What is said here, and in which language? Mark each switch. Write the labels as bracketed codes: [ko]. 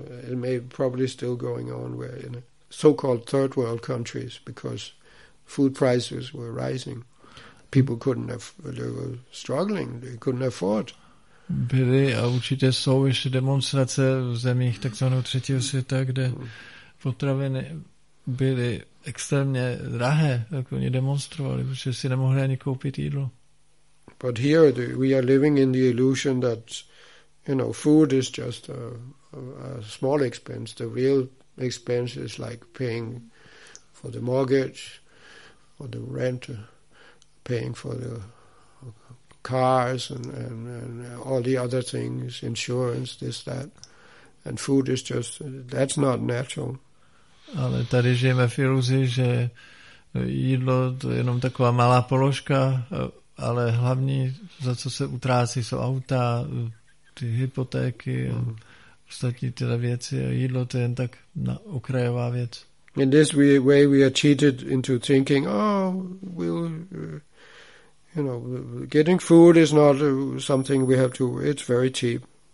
[en] It may probably still going on where in so-called third world countries because food prices were rising. People couldn't have, they were struggling, they couldn't afford. [cs] Byly a určitě jsou ještě demonstrace v zemích takzvaného třetího světa, kde potraviny byly extrémně drahé, tak oni demonstrovali, protože si nemohli ani koupit jídlo. [en] But here we are living in the illusion that, you know, food is just a small expense. The real expense is like paying for the mortgage or the rent, paying for the cars and all the other things, insurance, this, that. And food is just, that's not natural. [cs] Ale tady žijeme v iluzi, že jídlo to je jenom taková malá položka, ale hlavní, za co se utrácí, jsou auta, ty hypotéky, ostatní tyhle věci. A jídlo to je jen tak na okrajová věc. [en] In this way we are cheated into thinking, oh, we'll, you know, getting food is not something we have to, it's very cheap.